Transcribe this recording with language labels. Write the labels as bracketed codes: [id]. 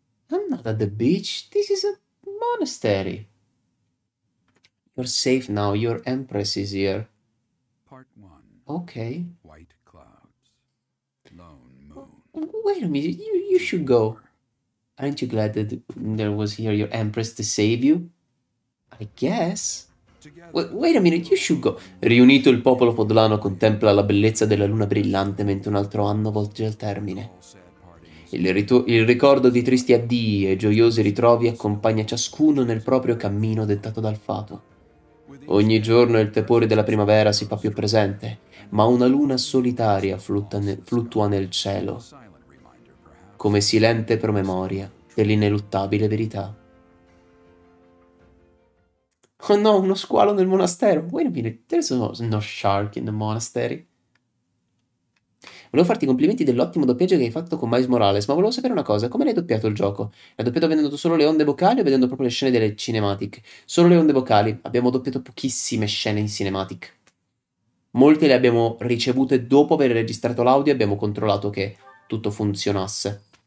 [en] I'm not at the beach, this is a monastery. You're safe now, your empress is here. Part one. Okay. White clouds. Lone moon. Wait a minute, you should go. Aren't you glad that there was here your empress to save you? I guess. Wait a minute, you should go. [it] Riunito il popolo podlano contempla la bellezza della luna brillante mentre un altro anno volge al termine. Il ricordo di tristi addii e gioiosi ritrovi accompagna ciascuno nel proprio cammino dettato dal fato. Ogni giorno il tepore della primavera si fa più presente, ma una luna solitaria fluttua nel cielo, come silente promemoria dell'ineluttabile verità. Oh no, uno squalo nel monastero! [en] Wait a minute, there's no shark in the monastery. [it] Volevo farti i complimenti dell'ottimo doppiaggio che hai fatto con Miles Morales, ma volevo sapere una cosa, come l'hai doppiato il gioco? L'hai doppiato vedendo solo le onde vocali o vedendo proprio le scene delle cinematic? Solo le onde vocali, abbiamo doppiato pochissime scene in cinematic. Molte le abbiamo ricevute dopo aver registrato l'audio e abbiamo controllato che tutto funzionasse.